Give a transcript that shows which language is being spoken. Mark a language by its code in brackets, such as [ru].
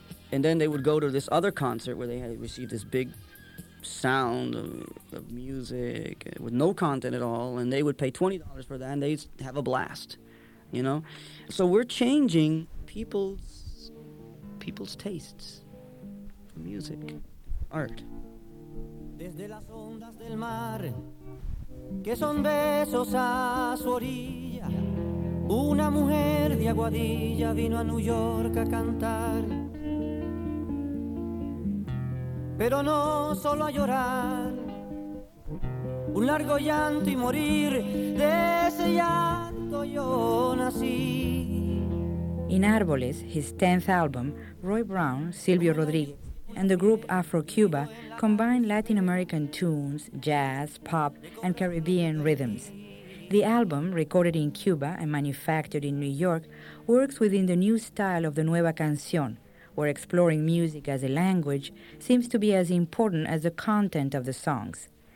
[en] And then they would go to this other concert where they had received this big sound of music with no content at all, and they would pay $20 for that, and they'd have a blast, you know? So we're changing people's tastes for music, art. [es] Desde las ondas del mar, que son besos a su orilla, una mujer de Aguadilla vino a New York a cantar. Pero no solo a llorar, un largo llanto y morir, de ese llanto yo nací. [en] In Árboles, his 10th album, Roy Brown, Silvio Rodríguez, and the group Afro Cuba combine Latin American tunes, jazz, pop, and Caribbean rhythms. The album, recorded in Cuba and manufactured in New York, works within the new style of the Nueva Canción, where exploring music as a language seems to be as important as the content of the songs.